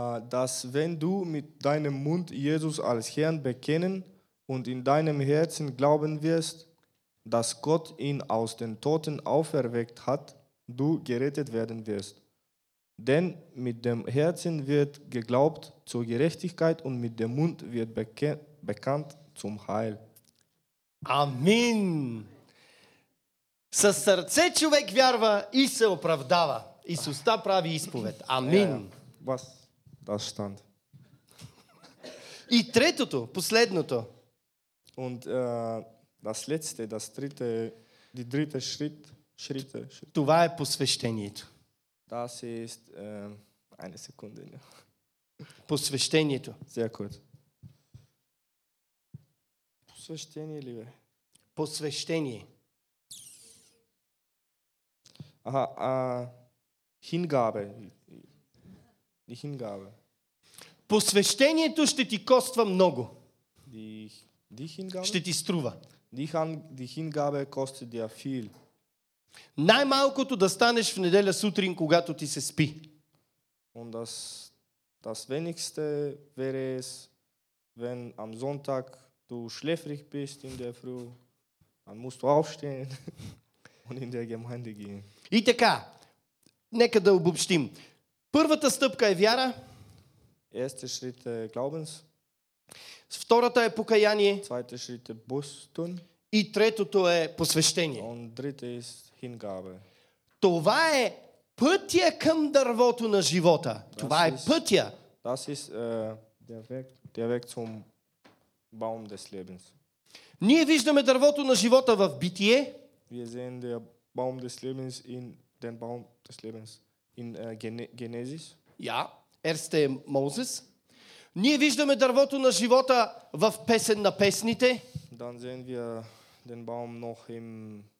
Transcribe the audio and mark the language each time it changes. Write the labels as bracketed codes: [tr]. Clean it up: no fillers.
[de] Dass wenn du mit deinem Mund Jesus als Herrn bekennen und in deinem Herzen glauben wirst, dass Gott ihn aus den Toten auferweckt hat, du gerettet werden wirst. Denn mit dem Herzen wird geglaubt zur Gerechtigkeit und mit dem Mund wird bekannt zum Heil. Amen. [bg] Със сърце човек вярва и се оправдава. И с уста прави изповед. Амин. [de] Was? Das stand. [bg] И третото, последното. [de] Und das letzte, das dritte, die dritte Schritt. [bg] Това е посвещението. [de] Das ist eine Sekunde. [bg] Посвещението. [de] Sehr gut. [bg] Посвещение ли бе? Посвещение. [de] Aha, Hingabe. Die Hingabe. [bg] Посвещението ще ти коства много. [de] Die Hingabe? [bg] Ще ти струва. [de] Die Hingabe kostet dir viel. [bg] Най-малкото да станеш в неделя сутрин, когато ти се спи. [de] Und das wenigste wäre es, wenn am Sonntag du schläfrig bist in der Früh, dann musst du aufstehen und in der Gemeinde gehen. [bg] И така, нека да обобщим. Първата стъпка е вяра. [de] Erste Schritt Glaubens. [bg] Втората е покаяние. [de] Zweite Schritt Bußtun. [bg] И третото е посвещение. [de] Und dritte ist Hingabe. [bg] Това е пътя към дървото на живота. [de] Das [bg] Това е пътя. [de] Das ist der Weg zum Baum des Lebens. [bg] Ние виждаме дървото на живота в Битие. [de] Wir sehen der Baum des Lebens in den Baum des Lebens in Genesis. Ja, erste Moses. [bg] Ние виждаме дървото на живота в Песен на песните. [de] Dann sehen wir den Baum noch im